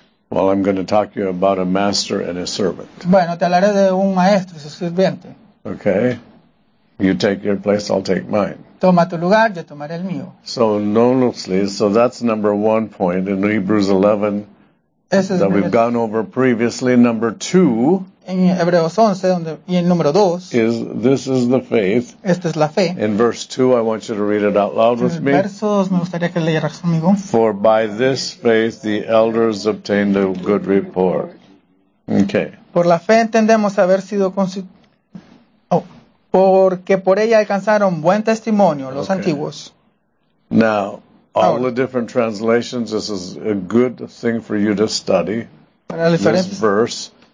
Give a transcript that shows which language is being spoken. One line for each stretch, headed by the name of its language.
English: Well, I'm going to talk to you about a master and a servant.
Spanish: Bueno, te hablaré de un maestro y su sirviente.
English: Okay. You take your place, I'll take mine.
Spanish: Toma tu lugar, yo tomaré el mío.
English: So, notably, so that's number one point in Hebrews 11. That we've gone over previously. Number two.
Spanish: En Hebreos 11, donde, y en número dos.
English: Is, this is the faith.
Spanish: Esta es la fe.
English: In verse 2, I want you to read it out loud
Spanish: en
English: with me.
Spanish: Verso dos, me gustaría que leyeras conmigo.
English: For by this faith the elders obtained a good report. Okay.
Spanish: Por la fe entendemos haber sido porque por ella alcanzaron buen testimonio los okay. antiguos.
English: Now. All the different translations, this is a good thing for you to study, this verse,